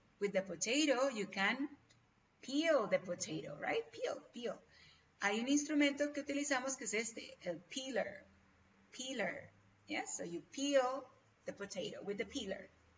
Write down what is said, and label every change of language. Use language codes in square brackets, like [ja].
[en] With the potato, you can peel the potato, right? Peel, peel. [es] Hay un instrumento que utilizamos que es este, el peeler. [en] Peeler. Yes? So, you peel the potato with the peeler.